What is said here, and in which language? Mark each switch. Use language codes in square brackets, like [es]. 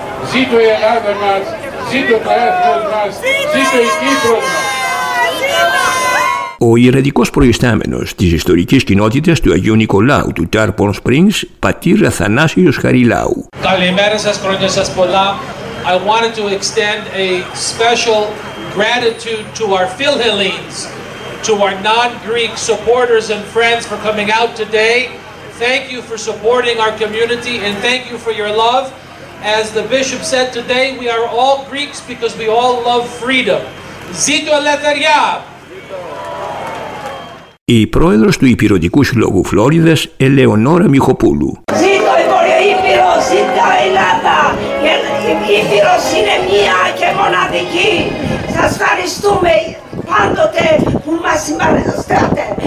[el] Ζήτω η Ελλάδα μας, ζήτω το έθνος μας, ζήτω η Κύπρος μας. Ο ιερατικός προϊστάμενος της ιστορικής κοινότητας του Αγίου Νικολάου του Τάρπον Σπρίγκς, πατήρ Αθανάσιος Χαριλάου. Καλημέρα σας, χρόνια σας πολλά. [en] I wanted to extend a special gratitude to our Philhellenes, to our non-Greek supporters and friends for coming out today. Thank you for supporting our community and thank you for your love. As the bishop said today, we are all Greeks because we all love freedom. [el] Zito Eleftheria! Η πρόεδρος του Ηπειρωτικού Συλλόγου Φλόριδας, Ελεονόρα Μιχοπούλου. Ζήτω η Βόρεια Ήπειρος, ζήτω η Ελλάδα. Η Ήπειρος είναι μία και μοναδική. Σας ευχαριστούμε πάντοτε που μας συμπαρεστάτε.